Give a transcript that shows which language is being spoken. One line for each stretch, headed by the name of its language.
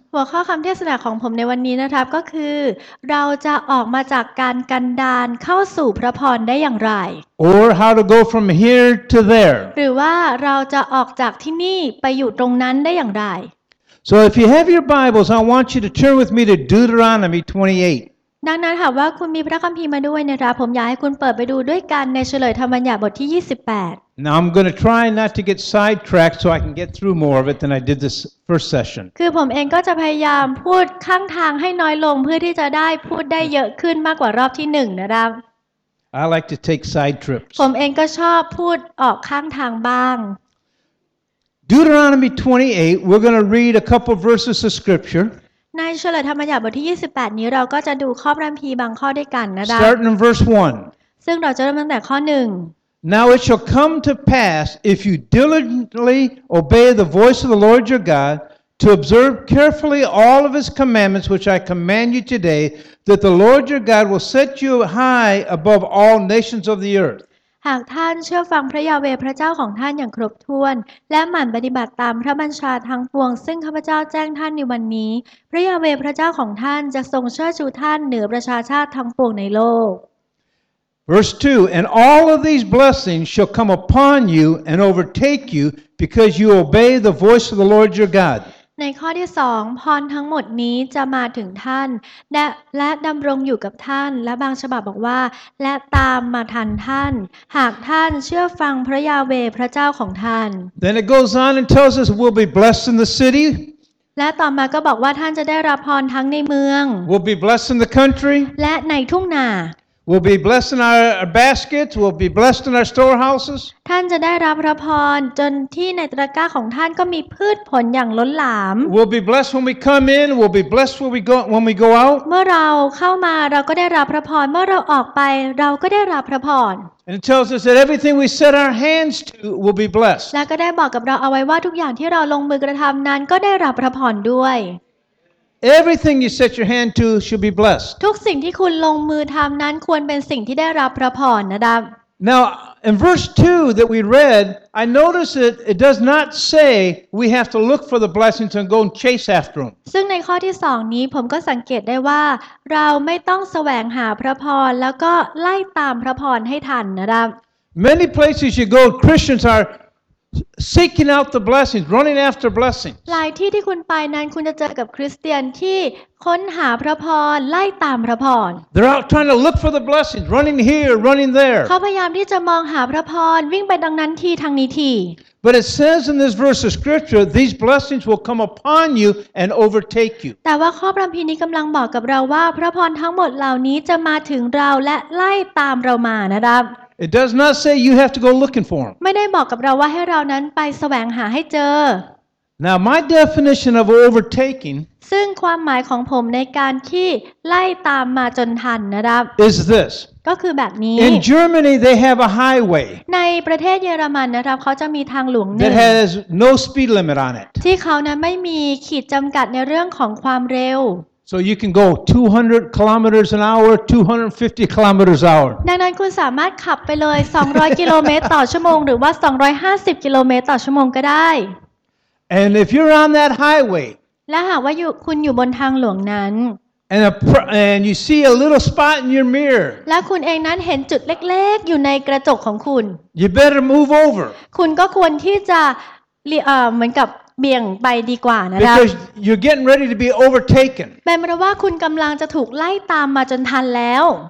Thai: หัวข้อคำเทศนาของผมในวันนี้นะครับก็คือเราจะออกมาจากการกันดารเข้าสู่พระพรได้อย่างไร
English: Or how to go from here to there.
Thai: หรือว่าเราจะออกจากที่นี่ไปอยู่ตรงนั้นได้อย่างไร
English: So, if you have your Bibles, I want you to turn with me to Deuteronomy 28.
Thai: ดังนั้นหากว่าคุณมีพระคัมภีร์มาด้วยนะครับผมอยากให้คุณเปิดไปดูด้วยกันในเฉลยธรรมบัญญัติบทที่28
English: Now I'm going to try not to get sidetracked so I can get through more of it than I did this first session.
Thai: คือผมเองก็จะพยายามพูดข้างทางให้น้อยลงเพื่อที่จะได้พูดได้เยอะขึ้นมากกว่ารอบที่หนึ่งนะครับ
English: I like to take side trips.
Thai: ผมเองก็ชอบพูดออกข้างทางบ้าง
English: Deuteronomy 28, we're going to read a couple of verses of scripture.
Thai: ในเฉลยธรรมบัญญัติบทที่28นี้เราก็จะดูข้อพระคัมภีร์บางข้อด้วยกันนะครับ
English: Start in verse 1.
Thai: ซึ่งเราจะเริ่มตั้งแต่ข้อหนึ่ง
English: Now it shall come to pass if you diligently obey the voice of the Lord your God to observe carefully all of His commandments which I command you today that the Lord your God will set you high above all nations of the earth.
Thai: หากท่านเชื่อฟังพระยาเวพระเจ้าของท่านอย่างครบถ้วนและหมั่นปฏิบัติตามพระบัญชาทั้งปวงซึ่งข้าพเจ้าแจ้งท่านในวันนี้พระยาเวพระเจ้าของท่านจะทรงเชิดชูท่านเหนือประชาชาติทั้งปวงในโลก
English: Verse 2 And all of these blessings shall come upon you and overtake you because you obey the voice of the Lord your God
Thai: ในข้อที่2พรทั้งหมดนี้จะมาถึงท่านและดำรงอยู่กับท่านและบางฉบับบอกว่าและตามมาทันท่านหากท่านเชื่อฟังพระยาเวพระเจ้าของท่าน
English: Then it goes on and tells us we'll be blessed in the city
Thai: และต่อมาก็บอกว่าท่านจะได้รับพรทั้งในเมือง
English: We'll be blessed in the country
Thai: และในทุ่งนา
English: We'll be blessed in our baskets. We'll be blessed in our storehouses.
Thai: ท่านจะได้รับพระพรจนที่ในตะกร้าของท่านก็มีพืชผลอย่างล้นหลาม
English: We'll be blessed when we come in. We'll be blessed when we go out.
Thai: เมื่อเราเข้ามาเราก็ได้รับพระพรเมื่อเราออกไปเราก็ได้รับพระพร
English: And it tells us that everything we set our hands to will be blessed.
Thai: แล้วก็ได้บอกกับเราเอาไว้ว่าทุกอย่างที่เราลงมือกระทำนั้นก็ได้รับพระพรด้วย
English: Everything you set your hand to should be blessed.
Thai: ทุกสิ่งที่คุณลงมือทำนั้นควรเป็นสิ่งที่ได้รับพระพรนะครับ
English: Now in verse 2 that we read, I noticed that it does not say we have to look for the blessings and go and chase after them.
Thai: ซึ่งในข้อที่2นี้ผมก็สังเกตได้ว่าเราไม่ต้องแสวงหาพระพรแล้วก็ไล่ตามพระพรให้ทันนะครับ
English: Many places you go, Christians areseeking out the blessings running after blessings
Thai: หลายที่ที่คุณไปนั้นคุณจะเจอกับคริสเตียนที่ค้นหาพระพรไล่ตามพระพร
English: They're out trying to look for the blessings running here running there
Thai: เขาพยายามที่จะมองหาพระพรวิ่งไปดังนั้นทีทางนี้ที
English: But it says in this verse of scripture these blessings will come upon you and overtake you
Thai: แต่ว่าข้อพระคัมภีร์นี้กําลังบอกกับเราว่าพระพรทั้งหมดเหล่านี้จะมาถึงเราและไล่ตามเรามานะครับ
English: It does not say you have to go looking for them.
Thai: ไม่ได้บอกกับเราว่าให้เรานั้นไปแสวงหาให้เจอ
English: Now my definition of overtaking
Thai: ซึ่งความหมายของผมในการที่ไล่ตามมาจนทันนะครับ
English: is this
Thai: ก็คือแบบนี้
English: In Germany they have a highway
Thai: ในประเทศเยอรมันนะครับเขาจะมีทางหลวงหนึ่ง
English: that has no speed limit on it
Thai: ที่เขานั้นไม่มีขีดจำกัดในเรื่องของความเร็ว
English: So you can go 200 kilometers an hour, 250 kilometers an hour.
Thai: ดังนั้นคุณสามารถขับไปเลย200กิโลเมตรต่อชั่วโมงหรือว่า250กิโลเมตรต่อชั่วโมงก็ได้
English: And if you're on that highway,
Thai: และหากว่าคุณอยู่บนทางหลวงนั้น
English: and you see a little spot in your mirror,
Thai: และคุณเองนั้นเห็นจุดเล็กๆอยู่ในกระจกของคุณ
English: you better move over.
Thai: คุณก็ควรที่จะเหมือนกับเบี่ยงไปดีกว่านะครับ
English: Because you're getting ready to be overtaken.
Thai: หมายความว่าคุณกำลังจะถูกไล่ตามมาจนทันแล้ว